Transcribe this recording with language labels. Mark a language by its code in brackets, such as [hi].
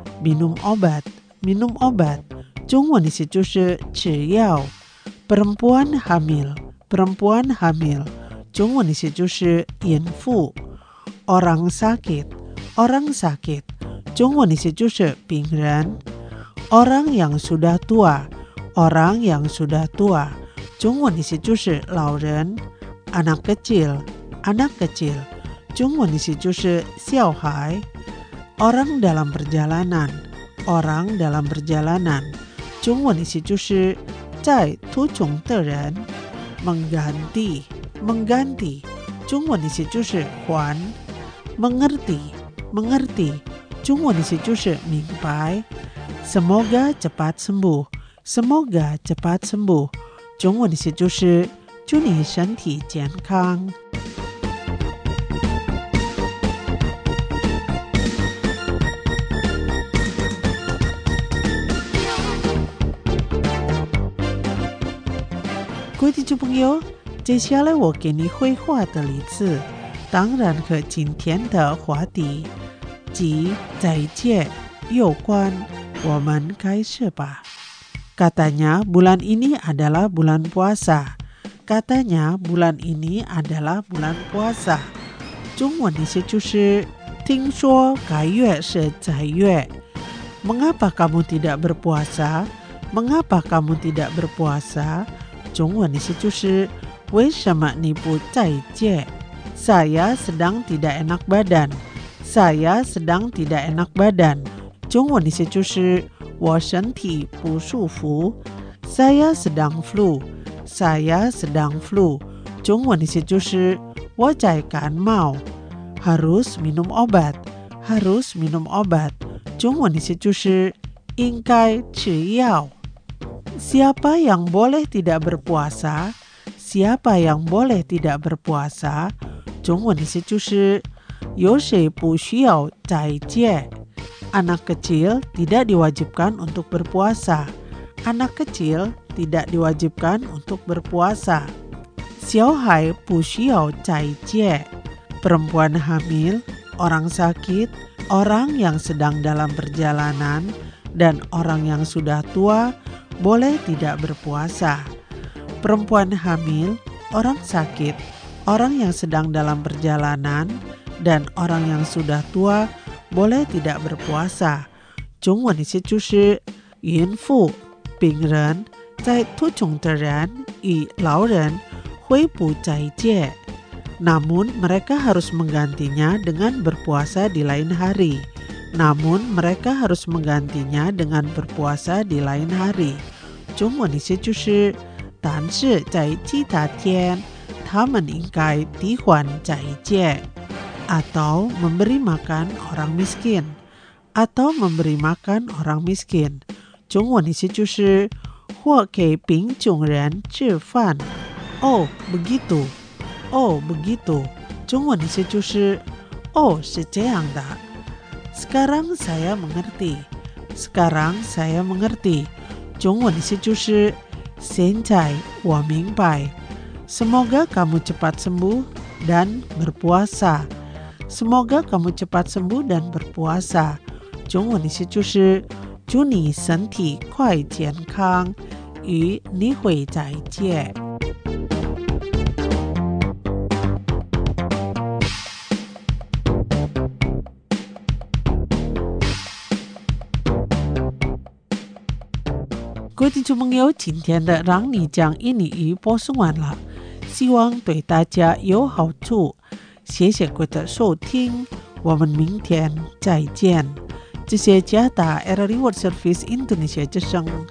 [id] minum obat， minum obat， [zh] 中文的意思就是吃药。 [id] perempuan hamil， perempuan hamil， [zh] 中文的意思就是孕妇。 [id] orang sakit， orang sakit， [zh] 中文的意思就是病人。 [id] orang yang sudah tua， [zh] orang yang sudah tua， 中文的意思就是老人。 [id] anak kecil， anak kecil， [zh] 中文的意思就是小孩。 [id] orang dalam perjalanan， orang dalam perjalanan， [zh] 中文的意思就是在途中的人。 [id] mengganti， mengganti， [zh] 中文的意思就是还。 [id] mengerti， mengerti， [zh] 中文的意思就是明白。 [id] semoga cepat sembuh， semoga cepat sembuh， [zh] 中文的意思就是祝你身体健康。各位朋友，接下来我给你绘画的例子，当然和今天的话题即再见有关。我们开始吧。 [id] Katanya bulan ini adalah bulan puasa. Katanya bulan ini adalah bulan puasa. [zh] 中文的意思就是听说该月是斋月。 [id] Mengapa kamu tidak berpuasa? Mengapa kamu tidak berpuasa? [zh] 中文的意思就是为什么你不在戒？ [id] Saya sedang tidak enak badan. Saya sedang tidak enak badan. [zh] 中文的意思就是我身体不舒服。 [id] Saya sedang flu. Saya sedang flu. [zh] 中文的意思就是我在感冒。 [id] Harus minum obat. Harus minum obat. [zh] 中文的意思就是应该吃药。 [id] Siapa yang boleh tidak berpuasa? Siapa yang boleh tidak berpuasa? [zh] 中文的意思就是有谁不需要斋戒。 [id] Anak kecil tidak diwajibkan untuk berpuasa. Anak kecil tidak diwajibkan untuk berpuasa. [zh] 小孩不需要斋戒。 [id] Perempuan hamil, orang sakit, orang yang sedang dalam perjalanan, dan orang yang sudah tua,boleh tidak berpuasa. Perempuan hamil, orang sakit, orang yang sedang dalam perjalanan, dan orang yang sudah tua boleh tidak berpuasa. [zh] 中文的意思就是孕妇、病人、在途中的人与老人会不斋戒。 [id] Namun mereka harus menggantinya dengan berpuasa di lain hari. Namun mereka harus menggantinya dengan berpuasa di lain hari. [zh] 中文的意思就是，但是在其他天，他们应该替换斋戒。 [id] Atau memberi makan orang miskin. Atau memberi makan orang miskin. [zh] 中文的意思就是，或给贫穷人吃饭。 [id] Oh, begitu. Oh, begitu. [zh] 中文的意思就是，哦，是这样的。 [id] Sekarang saya mengerti. Sekarang saya mengerti. [zh] 中文的意思就是现在我明白。 [id] Semoga kamu cepat sembuh dan berpuasa. Semoga kamu cepat sembuh dan berpuasa. [zh] 中文的意思就是祝你身体快健康与你会再见。各位听众朋友，今天的让你讲印尼语播送完了，希望对大家有好处。谢谢各位的收听，我们明天再见。这些加达 RRI World Service Indonesia 之声。